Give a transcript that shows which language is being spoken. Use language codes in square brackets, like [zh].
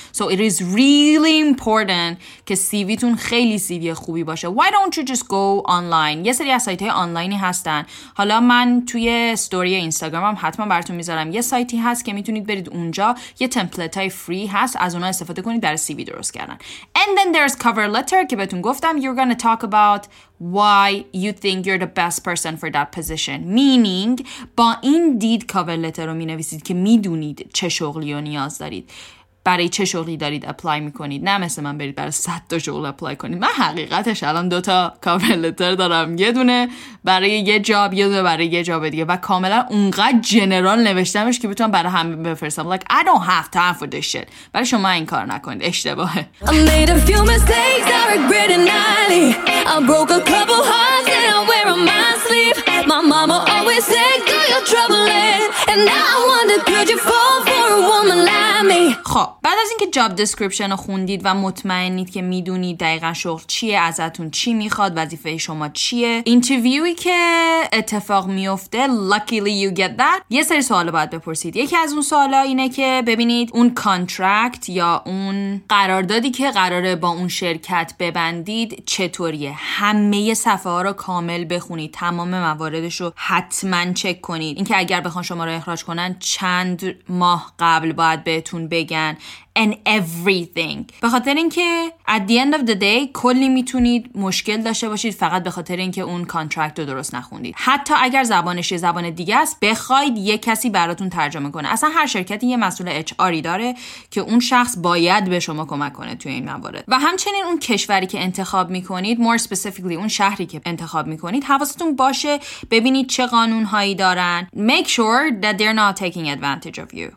[en] So it is really important [fa] که سیویتون خیلی سیوی خوبی باشه. [en] Why don't you just go online؟ [fa] یه سری از سایت های آنلاینی هستن. حالا من توی استوری اینستاگرامم حتما براتون میذارم. یه سایتی هست که میتونید برید اونجا، یه تمپلیت های فری هست، از اونها استفاده کنید برای سی وی درست کردن. [en] And then there's cover letter [fa] که بهتون گفتم [en] you're gonna talk about why you think you're the best person for that position. [fa] Meaning با این دید cover letter رو مینویسید که میدونید چه شغلی رو نیاز دارید. برای چه شغلی دارید اپلای میکنید، نه مثل من برید برای 100 تا شغل اپلای کنید. من حقیقتش الان دوتا کاور لتر دارم، یه دونه برای یه جاب، یه دونه برای یه جاب دیگه، و کاملا اونقدر جنرال نوشتمش که بتونم برای همه بفرستم. [en] Like I don't have time for this shit. [fa] ولی شما این کار نکنید، اشتباهه. [en] I made a few mistakes, I regret it nightly. I broke a couple hearts and I wear on my sleeve. My mama always said, girl, you're troubling. And now I wonder, could you fall for a woman like me? [fa] خب بعد از اینکه جاب دسکریپشن رو خوندید و مطمئنید که میدونید دقیقا شغل چیه، ازتون چی میخواد، وظیفه شما چیه، اینترویوی که اتفاق میفته [en] luckily you get that، [fa] یه سری سوال باید بپرسید. یکی از اون سوالا اینه که ببینید اون کانترکت یا اون قراردادی که قراره با اون شرکت ببندید چطوریه. همه صفحه ها رو کامل بخونید، تمام مواردش رو حتما چک کنید، اینکه اگر بخوان شما رو اخراج کنن چند ماه قبل باید بهتون بگن، [en] and everything. [fa] به خاطر اینکه [en] at the end of the day [fa] کلی میتونید مشکل داشته باشید فقط به خاطر اینکه اون کانترکت رو درست نخوندید. حتی اگر زبانش یه زبان دیگه است، بخواید یه کسی براتون ترجمه کنه. اصلا هر شرکتی یه مسئول HR داره که اون شخص باید به شما کمک کنه توی این موارد. و همچنین اون کشوری که انتخاب میکنید، [en] more specifically [fa] اون شهری که انتخاب میکنید، حواستون باشه ببینید چه قانونهایی دارن. [en] Make sure that they're not taking advantage of you.